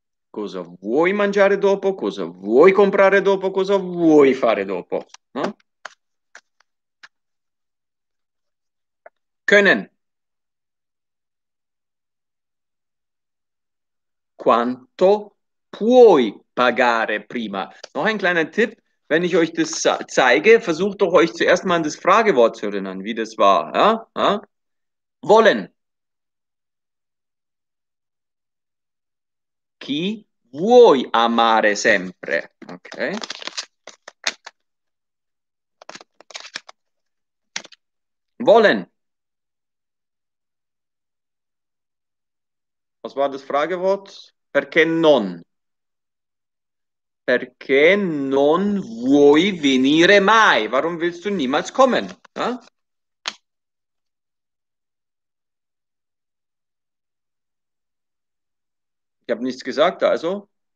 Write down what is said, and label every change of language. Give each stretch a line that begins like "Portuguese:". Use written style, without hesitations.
Italian: Cosa vuoi mangiare dopo? Cosa vuoi comprare dopo? Cosa vuoi fare dopo? No?
German: Können.
Italian: Quanto puoi pagare prima?
German: Noch ein kleiner Tipp. Wenn ich euch das zeige, versucht doch euch zuerst mal an das Fragewort zu erinnern, wie das war. Ja? Ja? Wollen.
Italian: Chi vuoi amare sempre?
German: Okay. Wollen. Was war das Fragewort?
Italian: Perché non. Perché non vuoi venire mai?
German: Warum willst du niemals kommen? Ja? Ich habe nichts gesagt, also.